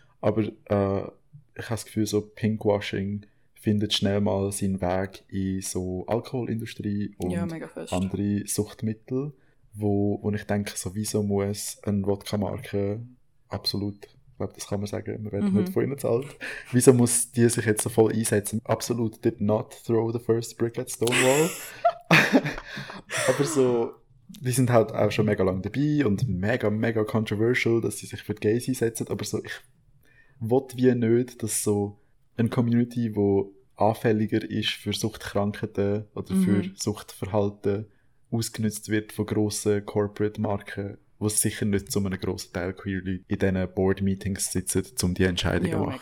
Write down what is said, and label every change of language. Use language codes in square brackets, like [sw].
[de] Aber ich habe das Gefühl, so Pinkwashing findet schnell mal seinen Weg in so Alkoholindustrie und andere Suchtmittel, wo ich denke, so wieso muss eine Wodka-Marke absolut, ich glaube, das kann man sagen, wir werden nicht von ihnen zahlt, wieso muss die sich jetzt so voll einsetzen? [en] Absolut did not throw the first brick at Stonewall. [de] Aber so, die sind halt auch schon mega lange dabei und mega, mega controversial, dass sie sich für die Gays einsetzen, aber so, ich will wie nicht, dass so eine Community, die anfälliger ist für Suchtkrankheiten oder für Suchtverhalten, ausgenutzt wird von grossen Corporate-Marken, die sicher nicht zu einem grossen Teil queer in diesen Board-Meetings sitzen, um die Entscheidungen zu machen.